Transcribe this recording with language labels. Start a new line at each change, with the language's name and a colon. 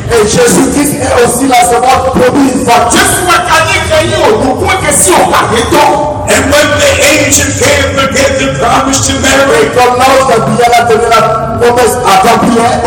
French: Et Jésus-Christ est aussi la semence promise.
English: Et when the angel came to give the promise to Mary,
French: comme l'ange Gabriel a donné la promesse à Gabriel,